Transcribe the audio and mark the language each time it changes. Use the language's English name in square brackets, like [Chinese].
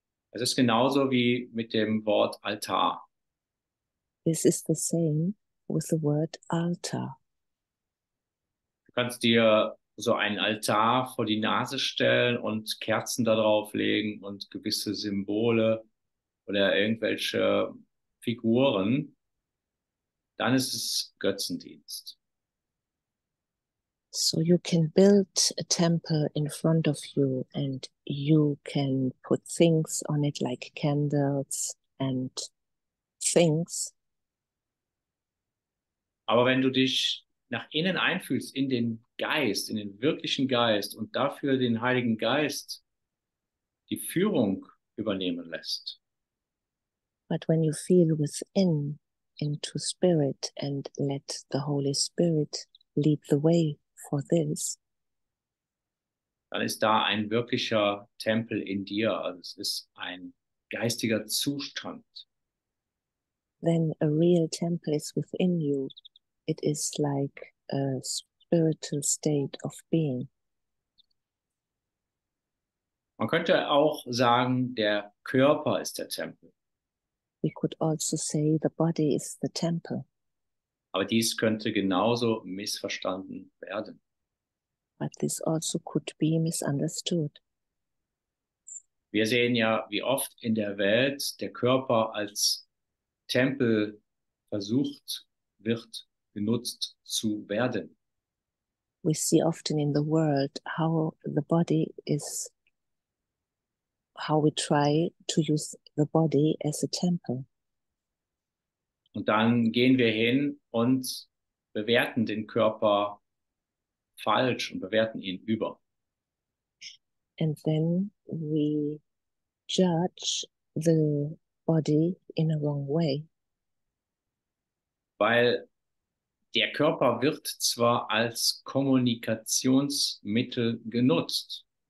[German] Es ist genauso wie mit dem Wort Altar. [English] This is the same with the word altar. [German] Du kannst dir so einen Altar vor die Nase stellen und Kerzen darauf legen und gewisse Symbole oder irgendwelche Figuren. Dann ist es Götzendienst. [English] So you can build a temple in front of you and you can put things on it like candles and things. [German] Aber wenn du dich nach innen einfühlst, in den Geist, in den wirklichen Geist und dafür den Heiligen Geist die Führung übernehmen lässt. [English] But when you feel within, into spirit and let the Holy Spirit lead the way for this, [German] dann ist da ein wirklicher Tempel in dir, also es ist ein geistiger Zustand. [English] Then a real temple is within you. It is like a spiritual state of being. [German] Man könnte auch sagen, der Körper ist der Tempel. [English] We could also say the body is the temple. [German] Aber dies könnte genauso missverstanden werden. [English] But this also could be misunderstood. [German] Wir sehen ja, wie oft in der Welt der Körper als Tempel versucht wird, genutzt zu werden. [English] We see often in the world how the body is, how we try to use the body as a temple. [German] Und dann gehen wir hin und bewerten den Körper falsch und bewerten ihn über. [English] And then we judge the body in a wrong way. [German] Weil der Körper wird zwar als Kommunikationsmittel genutzt.